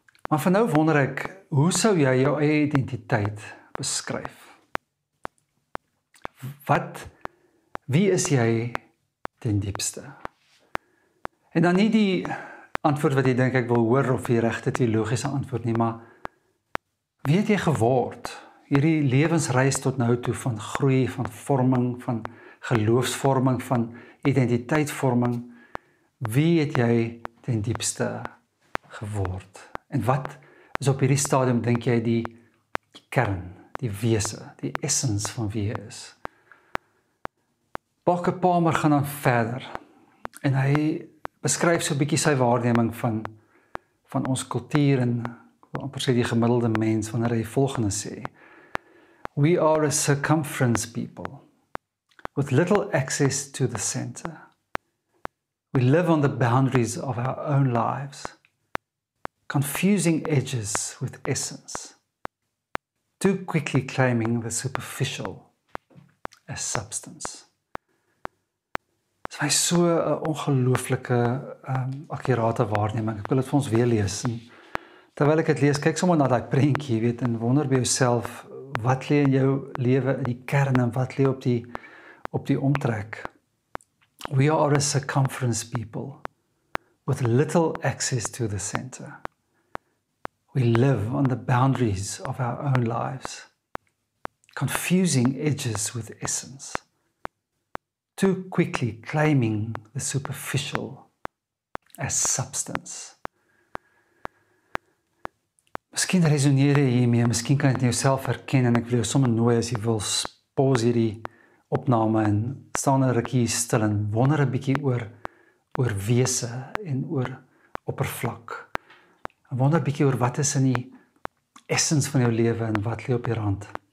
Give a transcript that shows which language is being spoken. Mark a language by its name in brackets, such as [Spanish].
[Afrikaans] Maar van nou wonder ek, hoe sou jy jou eie identiteit beskryf? Wie is jy ten diepste? En dan nie die antwoord wat jy dink ek wil hoor, of die regte teologiese antwoord nie, maar wie het jy geword? Hierdie lewensreis tot nou toe van groei, van vorming, van geloofsvorming, van identiteitsvorming. Wie het jy ten diepste geword? En wat is op hierdie stadium, dink jy, die kern, die wese, die essence van wie jy is? Bakke Palmer gaan dan verder en hy beskryf so 'n bietjie sy waarneming van ons kultuur en amper sê die gemiddelde mens, wanneer hy volgende sê: [English] "We are a circumference people with little access to the center. We live on the boundaries of our own lives, confusing edges with essence, too quickly claiming the superficial as substance." [Afrikaans] Dit is so 'n ongelooflike akkurate waarneming. Ek wil dit vir ons weer lees. En terwyl ek dit lees, kyk sommer na daai prentjie, weet, en wonder by jouself, wat lê in jou lewe in die kern en wat lê op die omtrek? [English] We are a circumference people with little access to the center. We live on the boundaries of our own lives, confusing edges with essence, too quickly claiming the superficial as substance. [Afrikaans] Miskien resoneer jy hiermee, miskien kan jy jouself herken, en ek wil jou sommer nooi, as jy wil, pause hierdie opname en staan 'n rukkie stil en wonder 'n bietjie oor wese en oor oppervlak. En wonder 'n bietjie oor wat is in die essence van jou lewe en wat lê op die rand.